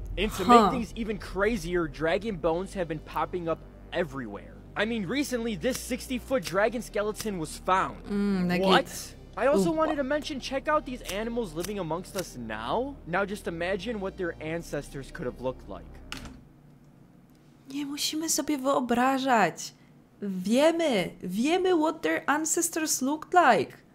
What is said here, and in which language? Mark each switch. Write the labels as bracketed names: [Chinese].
[English] And to make things even crazier, dragon bones have been popping up everywhere. I mean, recently, this 60-foot dragon skeleton was found. What? I also wanted to mention, check out these animals living amongst us now. Now just imagine what their ancestors could have looked like. [Polish] Nie musimy sobie wyobrażać. Wiemy [English] what their ancestors looked like.